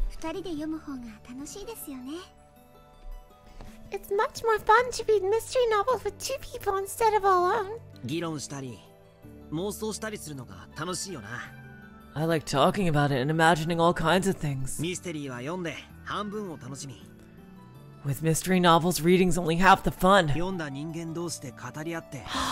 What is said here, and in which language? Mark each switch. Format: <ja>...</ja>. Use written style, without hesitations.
<ja>ミステリーは一人で読むよりも二人で読む方が楽しいですよね.</ja> <en>It's much more fun to read mystery novels with two people instead of alone.</en> <ja>議論したり、妄想したりするのが楽しいよな.</ja> <en>I like talking about it and imagining all kinds of things.</en> <ja>ミステリーは読んで半分を楽しみ.</ja> <en>With mystery novels, reading's only half the fun.</en> <ja>読んだ人間同士で語り合って</ja>